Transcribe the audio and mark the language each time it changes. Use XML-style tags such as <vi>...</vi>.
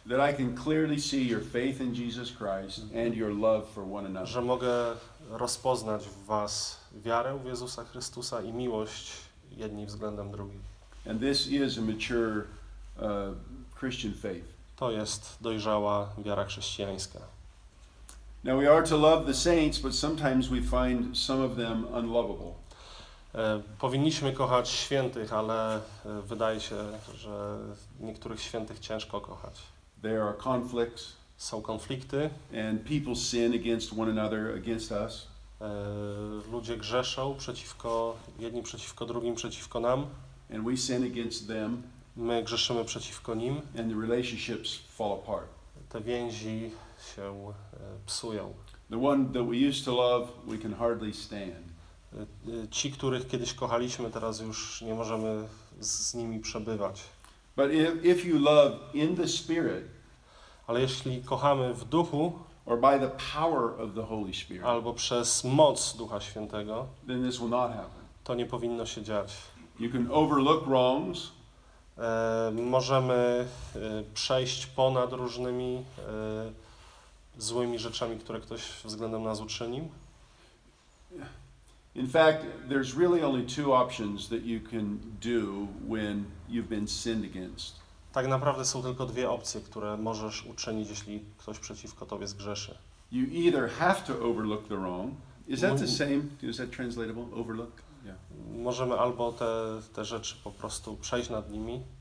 <en>That I can clearly see your faith in Jesus Christ and your love for one another.</en> <pl>Że mogę rozpoznać w was wiarę w Jezusa Chrystusa i miłość jedni względem drugich.</pl> <en>And this is a mature Christian faith.</en> <pl>To jest dojrzała wiara chrześcijańska.</pl> <en>Now we are to love the saints, but sometimes we find some of them unlovable.</en> <pl>Powinniśmy kochać świętych, ale wydaje się, że niektórych świętych ciężko kochać.</pl> <en>There are conflicts.</en> <pl>Są konflikty.</pl> <en>And people sin against one another, against us.</en> <pl>Ludzie grzeszą przeciwko drugim, przeciwko nam.</pl> <en>And we sin against them.</en> <pl>My grzeszymy przeciwko nim.</pl> <en>And the relationships fall apart.</en> <pl>Te więzi się psują.</pl> <en>The one that we used to love, we can hardly stand.</en> <pl>Ci, których kiedyś kochaliśmy, teraz już nie możemy z nimi przebywać.</pl> <en>But if you love in the Spirit,</en> <pl>ale jeśli kochamy w duchu,</pl> <en>or by the power of the Holy Spirit,</en> <pl>albo przez moc Ducha Świętego,</pl> <en>then this will not happen.</en> <pl>To nie powinno się dziać.</pl> <en>You can overlook wrongs.</en> <pl>Możemy przejść ponad różnymi złymi rzeczami, które ktoś względem nas uczynił.</pl> <en>In fact, there's really only two options that you can do when you've been sinned against.</en> <pl>Tak naprawdę są tylko dwie opcje, które możesz uczynić, jeśli ktoś przeciwko tobie zgrzeszy.</pl> <en>You either have to overlook the wrong. Is that the same? Is that translatable? Overlook? Yeah.</en> <pl>Możemy albo te rzeczy po prostu przejść nad nimi.</pl>